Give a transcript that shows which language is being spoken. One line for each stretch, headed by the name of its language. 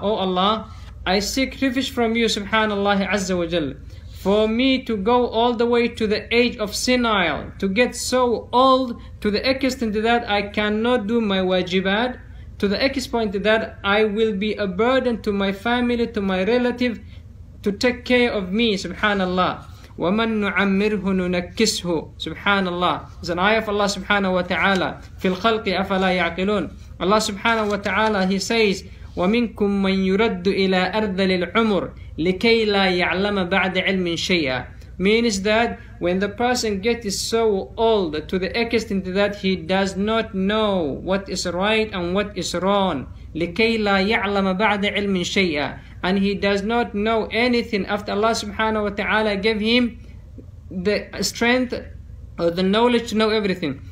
English: Oh Allah, I seek refuge from you, subhanallah azza wa jalla, for me to go all the way to the age of senile, to get so old to the extent that I cannot do my wajibat, to the extent point that I will be a burden to my family, to my relative, to take care of me, subhanallah.
Arabic: وَمَن نُعَمِّرْهُ نُنَكِّسْهُ, subhanallah.
English: It's an ayah of Allah subhanahu wa ta'ala.
Arabic: فِي الْخَلْقِ أَفَلَا يَعْقِلُونَ. Allah subhanahu wa ta'ala,
English: he says,
Arabic: وَمِنْكُمْ مَنْ يُرَدُّ إِلَىٰ أَرْذَلِ الْعُمُرِ لِكَيْ لَا يَعْلَمَ بَعْدَ عِلْمٍ شَيْئًا.
English: Means that when the person gets so old to the extent that he does not know what is right and what is wrong,
Arabic: لِكَيْ لَا يَعْلَمَ بَعْدَ عِلْمٍ شَيْئًا,
English: and he does not know anything after Allah subhanahu wa ta'ala gave him the strength or the knowledge to know everything.